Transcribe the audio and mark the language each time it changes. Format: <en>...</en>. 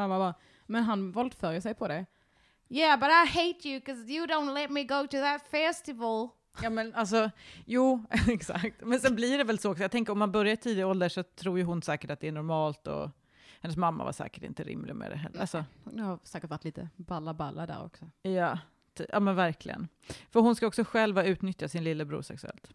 <sv>mamma bara, men han våldför ju sig på det.</sv> <en>Yeah, but I hate you because you don't let me go to that festival.</en> <sv>Ja, men alltså, jo, exakt. Men sen blir det väl så också. Jag tänker, om man börjar tidig ålder så tror ju hon säkert att det är normalt. Och hennes mamma var säkert inte rimlig med det heller. Alltså. Det har säkert varit lite balla där också. Ja, men verkligen. För hon ska också själva utnyttja sin lillebror sexuellt.</sv>